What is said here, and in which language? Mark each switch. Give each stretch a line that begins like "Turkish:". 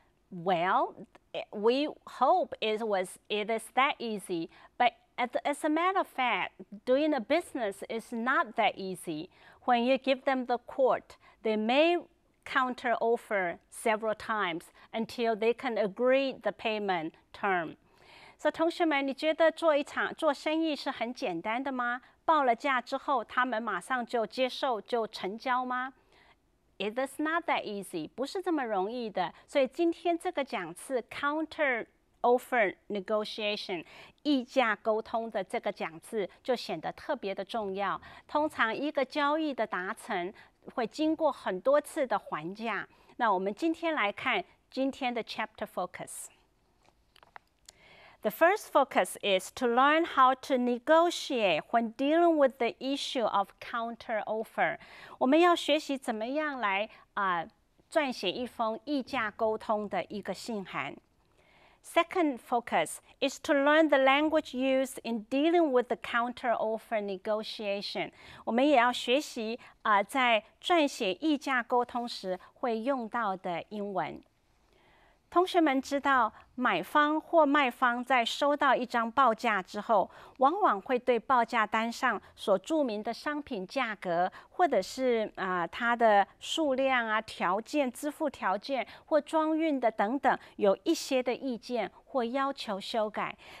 English: Well, we hope it is that easy, but as a matter of fact, doing a business is not that easy. When you give them the quote, they may counter offer several times until they can agree the payment term.
Chinese: So, 同学们，你觉得做生意是很简单的吗？报了价之后，他们马上就接受就成交吗？
English: It is not that easy,
Chinese: 不是这么容易的。所以今天这个讲次
English: counter offer negotiation,
Chinese: 议价沟通的这个讲次就显得特别的重要。通常一个交易的达成会经过很多次的还价。那我们今天来看今天的 chapter focus.
English: The first focus is to learn how to negotiate when dealing with the issue of counter offer.
Chinese: 我们要学习怎么样来撰写一封议价沟通的一个信函。
English: Second focus is to learn the language used in dealing with the counter offer negotiation.
Chinese: 我们也要学习在撰写议价沟通时会用到的英文。同学们知道，买方或卖方在收到一张报价之后，往往会对报价单上所注明的商品价格，或者是它的数量啊、条件、支付条件或装运的等等，有一些的意见或要求修改。